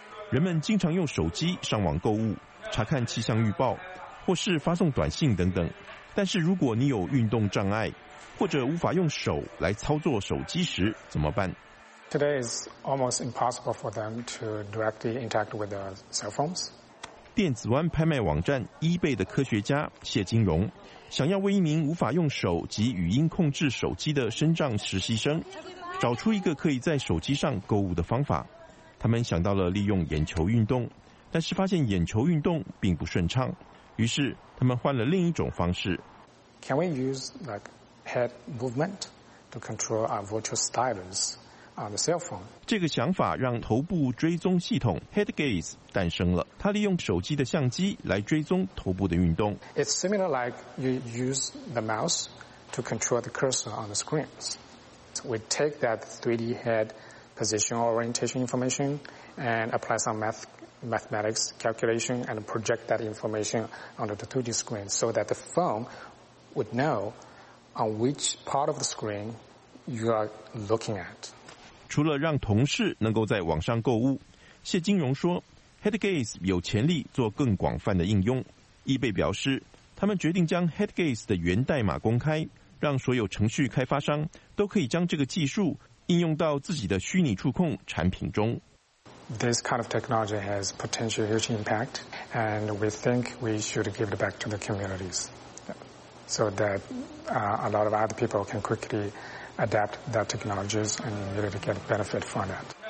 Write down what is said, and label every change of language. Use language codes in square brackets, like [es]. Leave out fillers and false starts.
[zh] 人们经常用手机上网购物、查看气象预报或是发送短信等等，但是如果你有运动障碍或者无法用手来操作手机时怎么办？ [en] Today is almost impossible for them to directly interact with the cell phones. [zh] 电子湾拍卖网站 eBay 的科学家谢金荣想要为一名无法用手及语音控制手机的身障实习生找出一个可以在手机上购物的方法。他们想到了利用眼球运动，但是发现眼球运动并不顺畅，于是他们换了另一种方式。 [en] Can we use like head movement to control our virtual stylus on the cell phone? [zh] 这个想法让头部追踪系统 head gaze 诞生了。它利用手机的相机来追踪头部的运动。 [en] It's similar like you use the mouse to control the cursor on the screen. We take that 3D head. Position orientation information and apply some mathematics calculation and project that information onto the 2D screen so that the phone would know on which part of the screen you are looking at. [zh] 除了让同事能够在网上购物，谢金荣说 ，Head Gaze 有潜力做更广泛的应用。 eBay 表示，他们决定将 Head Gaze 的源代码公开，让所有程序开发商都可以将这个技术。应用到自己的虚拟触控产品中。 [en] This kind of technology has potential huge impact, and we think we should give it back to the communities, so that a lot of other people can quickly adapt that technologies and really get benefit from that.